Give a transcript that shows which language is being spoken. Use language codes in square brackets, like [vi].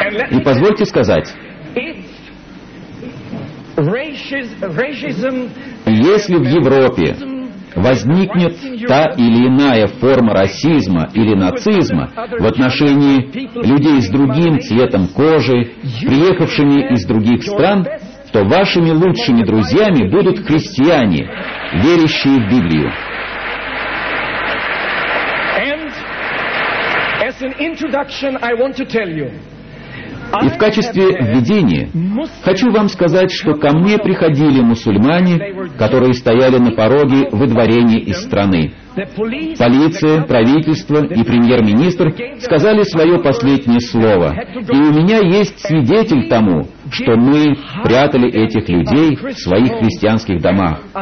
[ru] И позвольте сказать, если в Европе возникнет та или иная форма расизма или нацизма в отношении людей с другим цветом кожи, приехавшими из других стран, то вашими лучшими друзьями будут христиане, верящие в Библию. [en] And as an introduction, I want to tell you, [ru] И в качестве введения хочу вам сказать, что ко мне приходили мусульмане, которые стояли на пороге выдворения из страны. Полиция, правительство и премьер-министр сказали свое последнее слово. И у меня есть свидетель тому, что мы прятали этих людей в своих христианских домах.